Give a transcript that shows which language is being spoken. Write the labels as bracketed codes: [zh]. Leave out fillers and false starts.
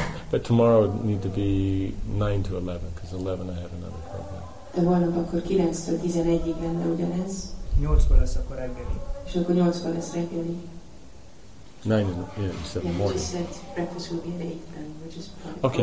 [en] But tomorrow would need to be 9 to 11, because 11 I have another program. [hu] De holnap akkor 9-től 11-ig lenne ugyanez. 8-kor lesz akkor reggeli. És akkor 8-kor lesz reggeli. [en] 9 in the, yeah, 7 yeah, morning. Yeah, just said breakfast will be at 8 then, which is probably